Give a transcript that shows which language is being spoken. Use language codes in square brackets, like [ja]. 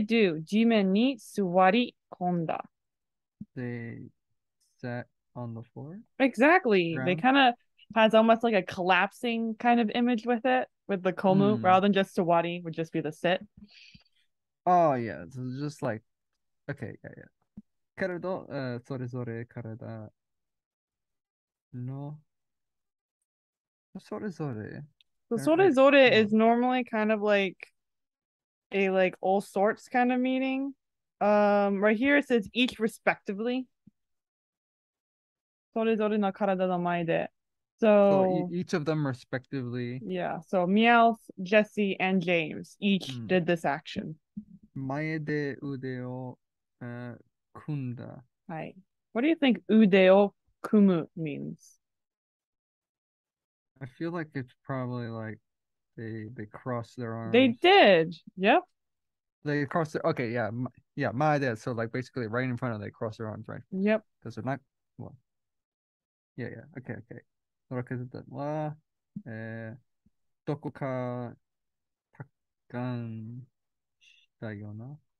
[en] they do? [ja] 地面に座り込んだ。 [en] They sat on the floor? Exactly. They Ground? kind of has almost like a collapsing kind of image with it, with the komu, rather than just suwari, would just be the sit. Oh, yeah. So it's just like, okay, yeah. [ja] けれど、それぞれ体の、それぞれ、 [en] So sore sore is oh. normally kind of like a like all sorts kind of meaning. Right here it says each respectively. [ja] Sore sore no karada no mai de. [en] So So each of them respectively. yeah, so Meowth, Jesse, and James each did this action. [ja] Mae de udeo kunda. [en] Hi. What do you think [ja] ude o kumu [en] means? I feel like it's probably like they cross their They arms. did. Yep. They cross their, okay, yeah. Yeah, [ja] mae de, [en] so like basically right in front of they cross their arms, right? Yep. Because they're not, well. Yeah. Okay. [ja] ロケット団は、どこか達観したような、